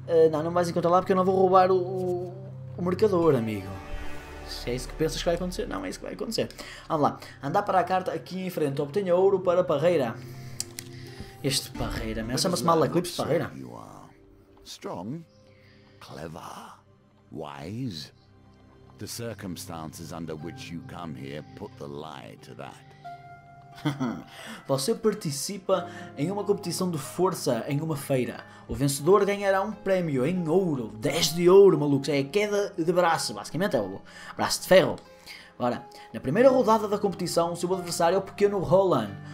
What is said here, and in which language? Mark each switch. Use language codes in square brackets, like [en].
[pt] Não vais encontrar lá porque eu não vou roubar o mercador, amigo. Se é isso que pensas que vai acontecer, não é isso que vai acontecer. Vamos lá, andar para a carta aqui em frente. Obtenha ouro para a parreira. Este parreira, mas chama-se mal Eclipse Parreira. [en] Strong, clever, wise. The circumstances under which you come here put the lie to that. [pt] Você participa em uma competição de força em uma feira. O vencedor ganhará um prémio em ouro. 10 de ouro, malucos. É a queda de braço, basicamente. É o braço de ferro. Ora, na primeira rodada da competição, o seu adversário é o pequeno Roland.